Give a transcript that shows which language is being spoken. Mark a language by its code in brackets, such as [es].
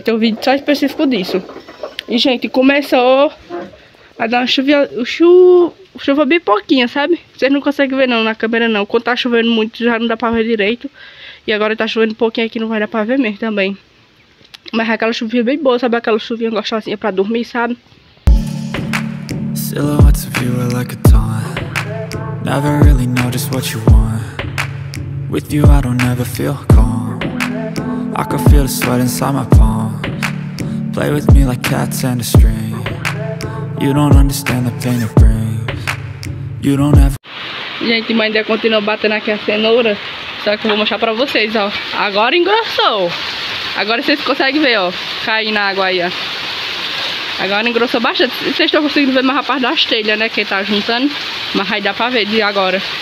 [pt] Tem um vídeo só específico disso. E, gente, começou a dar uma chuva... chuva bem pouquinha, sabe? Vocês não conseguem ver não na câmera não. Quando tá chovendo muito já não dá pra ver direito. E agora tá chovendo pouquinho aqui, não vai dar pra ver mesmo também. Mas aquela chuvinha bem boa, sabe? Aquela chuvinha gostosinha pra dormir, sabe? [en] Silhouettes of you are like a taunt. Never really know just what you want. With you I don't ever feel calm. I can feel the sweat inside my palms. Play with me like cats and a string. You don't understand the pain it brings. You don't ever. [pt] Gente, mas ainda continua batendo aqui a cenoura. Só que eu vou mostrar pra vocês, ó. Agora engrossou. Agora vocês conseguem ver, ó. Cair na água aí, ó. Agora engrossou bastante. Vocês estão conseguindo ver mais a parte das telhas, né? Que tá juntando. Mas aí dá pra ver de agora.